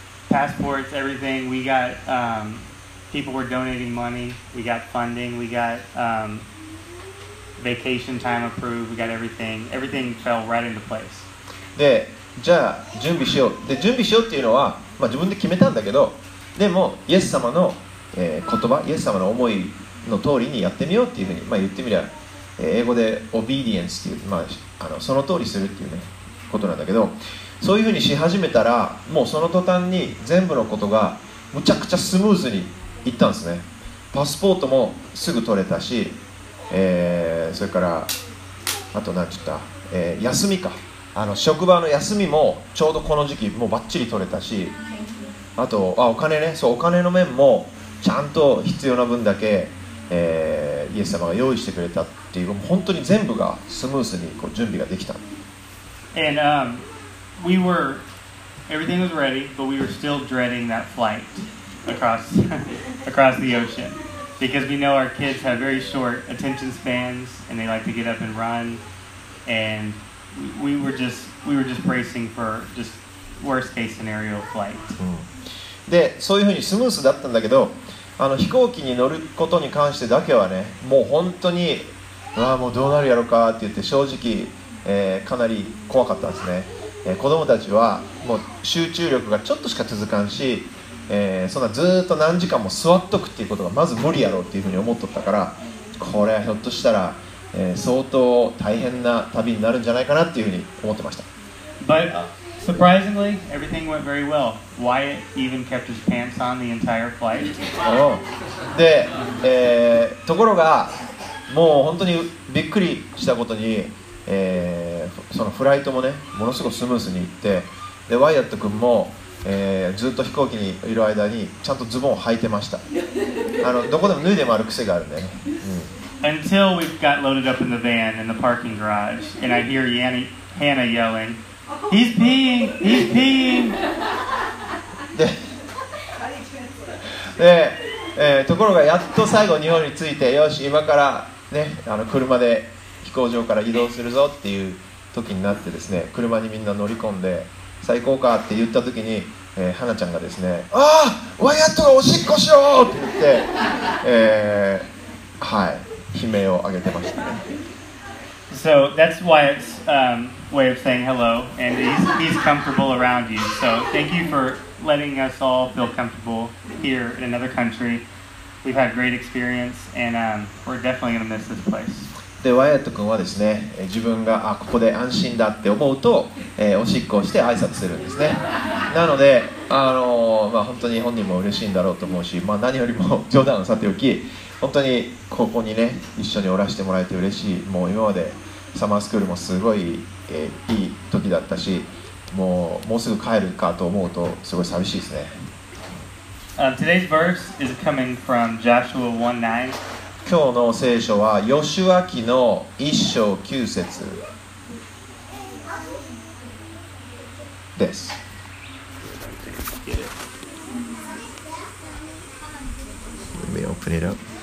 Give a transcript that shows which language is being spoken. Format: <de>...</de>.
<en>Passports, everything, we got, people were donating money, we got funding, we got vacation time approved, we got everything. Everything fell right into place.</en> <ja>で、じゃあ準備しよう。で、準備しようっていうのは、まあ、自分で決めたんだけど、でも、イエス様の、言葉、イエス様の思いの通りにやってみようっていうふうに、まあ、言ってみりゃ英語でオビディエンスっていう、まあ、その通りするっていう、ね、ことなんだけど、そういうふうにし始めたらもうその途端に全部のことがむちゃくちゃスムーズにいったんですね。パスポートもすぐ取れたし、それからあと何て言った、休みか、職場の休みもちょうどこの時期もうバッチリ取れたし、あとあお金ね、そうお金の面もちゃんと必要な分だけ、イエス様が用意してくれたっていう、本当に全部がスムーズにこう準備ができた。</ja> <en>And we were, everything was ready, but we were still dreading that flight across the ocean. Because we know our kids have very short attention spans and they like to get up and run. And we were just bracing for just worst case scenario flight.、</en> <ja>うん、で、そういうふうにスムーズだったんだけど、飛行機に乗ることに関してだけはね、もう本当にあもうどうなるやろかって言って正直、かなり怖かったんですね、子供たちはもう集中力がちょっとしか続かんし、そんなずっと何時間も座っとくっていうことがまず無理やろうっていうふうに思っとったから、これはひょっとしたら、相当大変な旅になるんじゃないかなっていうふうに思ってました。</ja> <en>But surprisingly, everything went very well. Wyatt even kept his pants on the entire flight.</en> <ja>で、ところが、もう本当にびっくりしたことに、そのフライトもね、ものすごくスムーズに行って、でワイヤット君も、ずっと飛行機にいる間にちゃんとズボンを履いてました。あのどこでも脱いでもある癖があるね、うん、</ja> <en>Until we got loaded up in the van in the parking garage and I hear Hannah yelling He's peeing! He's peeing!</en> <ja>で、ところがやっと最後日本に着いてよし今からね、あの車で飛行場から移動するぞっていう時になってですね、車にみんな乗り込んで最高かって言った時に、花ちゃんがですね、ああ、ワイヤットがおしっこしようって言って、はい、悲鳴を上げてましたね。</ja> <en>So that's Wyatt's way of saying hello, and he's comfortable around you. So thank you for letting us all feel comfortable here in another country. We've had great experience, and we're definitely gonna miss this place.</en> <ja>でワイヤット君はですね、自分がここで安心だって思うと、おしっこをして挨拶するんですね。なので、まあ、本当に本人も嬉しいんだろうと思うし、まあ、何よりも冗談をさておき、本当にここにね、一緒におらせてもらえて嬉しい。もう今までサマースクールもすごい、いい時だったし、もうすぐ帰るかと思うとすごい寂しいですね。</ja> <en>Today's verse is coming from Joshua 1:9.</en> <ja>今日の聖書はヨシュア記の一章九節です。</ja> <en>Let me open it up.</en>